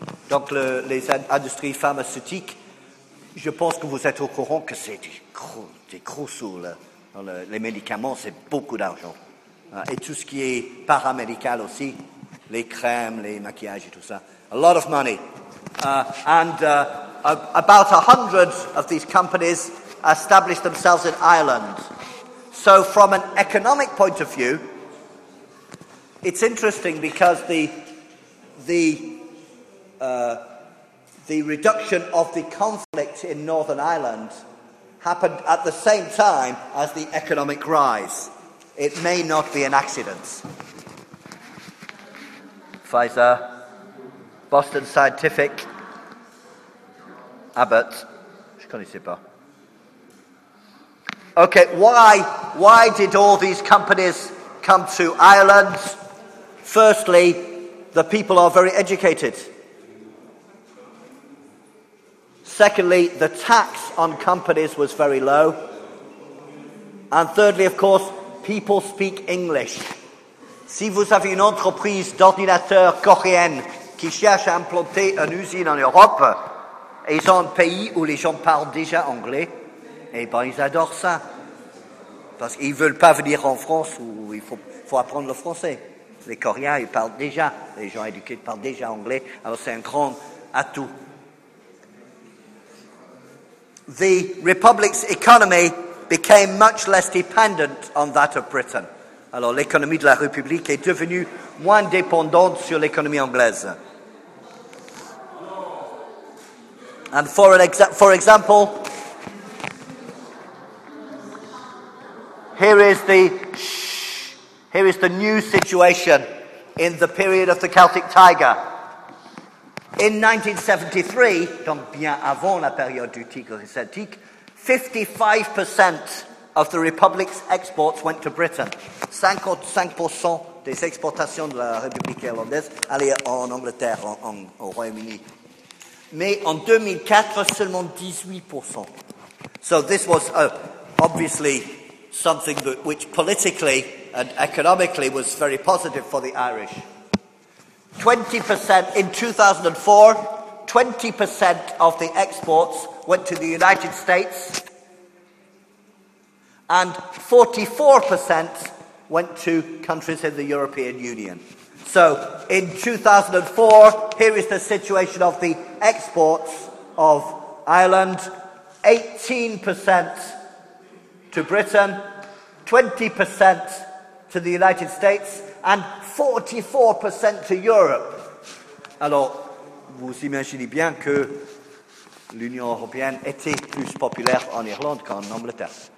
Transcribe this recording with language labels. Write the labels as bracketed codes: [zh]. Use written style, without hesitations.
[fr] Donc les industries pharmaceutiques, je pense que vous êtes au courant que c'est des gros sous. Les médicaments, c'est beaucoup d'argent. Et tout ce qui est paramédical aussi, les crèmes, les maquillages et tout ça. [en] A lot of money. About 100 of these companies established themselves in Ireland. So from an economic point of view, it's interesting because the reduction of the conflict in Northern Ireland happened at the same time as the economic rise. It may not be an accident. [fr] Pfizer, Boston Scientific, Abbott, je connaissais pas. [en] Okay, why did all these companies come to Ireland? Firstly, the people are very educated. Secondly, the tax on companies was very low. And thirdly, of course, people speak English. [fr] Si vous avez une entreprise d'ordinateur coréenne qui cherche à implanter une usine en Europe, ils ont un pays où les gens parlent déjà anglais, et ben ils adorent ça. Parce qu'ils ne veulent pas venir en France où il faut apprendre le français. Les Coréens, ils parlent déjà. Les gens éduqués parlent déjà anglais. Alors c'est un grand atout. [en] The Republic's economy became much less dependent on that of Britain. [fr] Alors l'économie de la République est devenue moins dépendante sur l'économie anglaise. [en] And for example, here is the new situation in the period of the Celtic Tiger. In 1973, [fr] donc bien avant la période du Tigre Celtique, [en] 55% of the Republic's exports went to Britain. [fr] 55% des exportations de la République irlandaise allaient en Angleterre, au Royaume-Uni. Mais en 2004, seulement 18%. [en] So this was obviously something that, which politically and economically was very positive for the Irish. 20% in 2004, 20% of the exports went to the United States and 44% went to countries in the European Union. So, in 2004, here is the situation of the exports of Ireland. 18% to Britain, 20% to the United States, and 44% to Europe. [fr] Alors, vous imaginez bien que l'Union européenne était plus populaire en Irlande qu'en Angleterre.